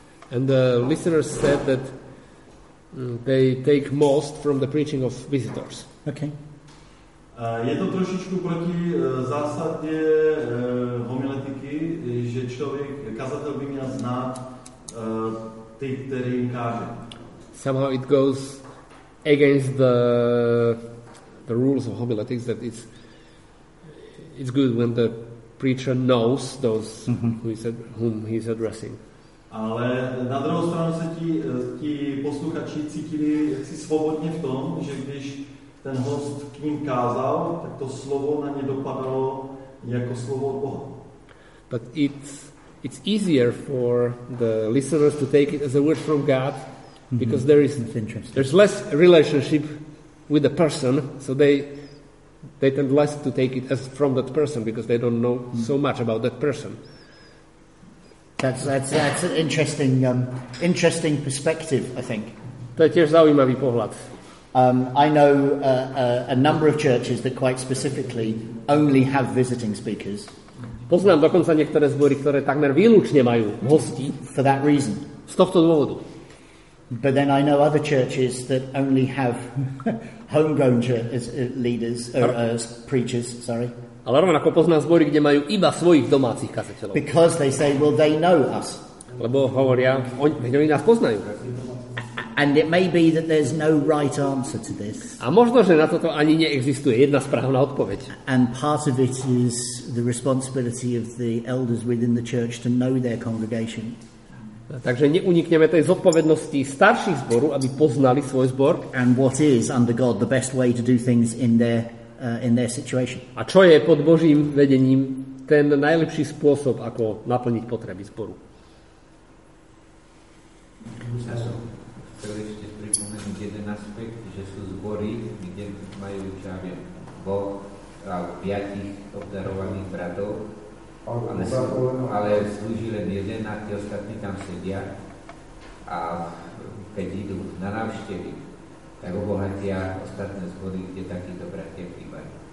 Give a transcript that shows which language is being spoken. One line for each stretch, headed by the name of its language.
English: And the listeners said that they take most from the preaching of visitors. Okay.
Czech: Je to trošičku proti zásadě homiletiky, že člověk, kazatel by měl znát ty, který jim káže.
English: Somehow it goes against the rules of homiletics that it's good when the preacher knows those whom he's addressing.
Czech: Ale na druhou stranu se ti posluchači cítili jaksi svobodně v tom, že když ten host k ním kázal, tak to slovo na ně dopadlo jako slovo od Boha.
English: But it's easier for the listeners to take it as a word from God because there's less relationship with the person, so they tend less to take it as from that person because they don't know so much about that person. That's an interesting perspective, I think.
Slovak: To je tiež zaujímavý pohľad.
English: I know a number of churches that quite specifically only have visiting speakers.
Slovak: Poznám dokonca niektoré zbory, ktoré takmer výlučne majú hostí.
English: For that reason.
Slovak: Z tohto dôvodu.
English: But then I know other churches that only have homegrown leaders or preachers, sorry.
Slovak: Ale rovnako poznám zbory, kde majú iba svojich domácich kazateľov.
English: Because they say, well, they know us.
Slovak: Lebo hovoria, oni nás poznajú.
English: And it may be that there's no right answer to this.
Slovak: A možno, že na toto ani neexistuje jedna správna odpoveď.
English: And part of it is the responsibility of the elders within the church to know their congregation.
Slovak: Takže neunikneme tej zodpovednosti starších zboru, aby poznali svoj zbor.
English: And what is under God the best way to do things in their situation.
Slovak: A čo je pod Božím vedením ten najlepší spôsob, ako naplniť potreby zboru? Chcel ešte pripomenúť jeden aspekt, že sú zbory, kde majú čávie Boh alebo piatich obdarovaných bratov, ale slúži len jeden a tie ostatní tam sedia a keď idú na návštevy, tak obohatia ostatné zbory, kde takýto bratia chýbajú.